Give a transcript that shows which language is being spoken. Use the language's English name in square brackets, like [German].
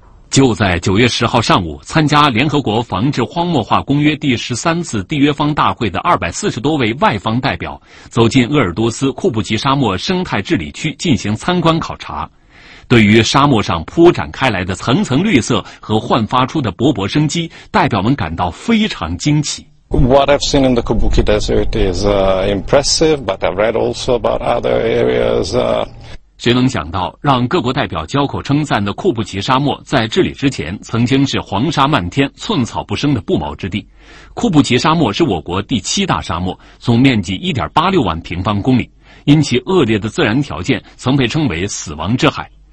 [Chinese] 就在9月10号上午，参加联合国防治荒漠化公约第13次缔约方大会的240多位外方代表走进鄂尔多斯库布齐沙漠生态治理区进行参观考察。对于沙漠上铺展开来的层层绿色和焕发出的勃勃生机，代表们感到非常惊奇。 [English] What I've seen in the Kubuki Desert is impressive, but I've read also about other areas. [Chinese] 谁能想到，让各国代表交口称赞的库布齐沙漠在治理之前曾经是黄沙漫天、寸草不生的不毛之地。库布齐沙漠是我国第七大沙漠，总面积 1.86 万平方公里，因其恶劣的自然条件曾被称为死亡之海。